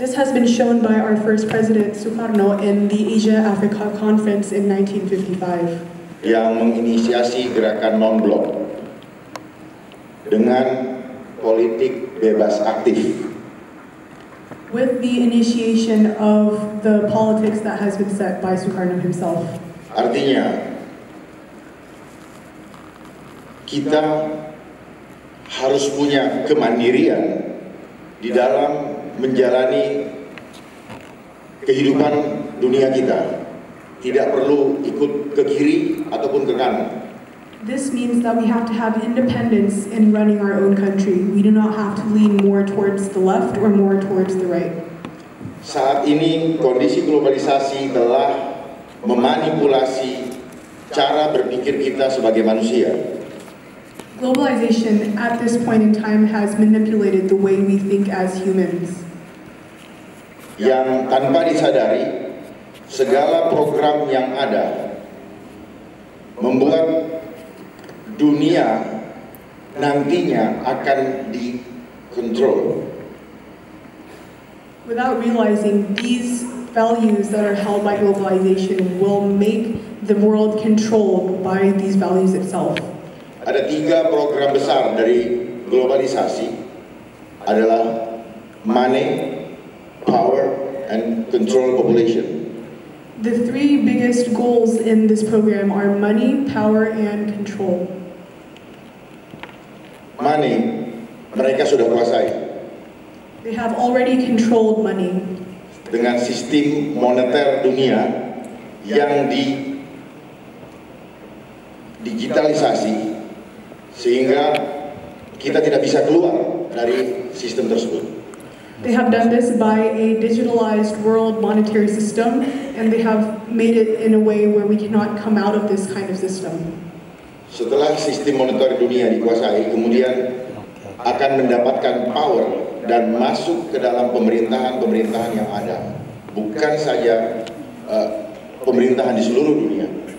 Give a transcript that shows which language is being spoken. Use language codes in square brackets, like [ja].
[en] This has been shown by our first president Sukarno in the Asia Africa Conference in 1955. [id] Yang menginisiasi gerakan non-blok dengan politik bebas aktif. [en] With the initiation of the politics that has been set by Sukarno himself. [id] Artinya, kita harus punya kemandirian di dalam menjalani kehidupan dunia kita. Tidak perlu ikut ke kiri ataupun ke kanan. [en] This means that we have to have independence in running our own country. We do not have to lean more towards the left or more towards the right. [id] Saat ini kondisi globalisasi telah memanipulasi cara berpikir kita sebagai manusia. [en] Globalization at this point in time has manipulated the way we think as humans. [id] Yang tanpa disadari, segala program yang ada membuat dunia nantinya akan dikontrol. [en] Without realizing, these values that are held by globalization will make the world controlled by these values itself. [id] Ada tiga program besar dari globalisasi adalah [en] money, power, and control population. The three biggest goals in this program are money, power, and control. [id] Money, mereka sudah kuasai. [en] They have already controlled money. [id] Dengan sistem moneter dunia yang digitalisasi sehingga kita tidak bisa keluar dari sistem tersebut. [en] They have done this by a digitalized world monetary system, and they have made it in a way where we cannot come out of this kind of system. [id] Setelah sistem moneter dunia dikuasai, kemudian akan mendapatkan power dan masuk ke dalam pemerintahan-pemerintahan yang ada, bukan saja pemerintahan di seluruh dunia.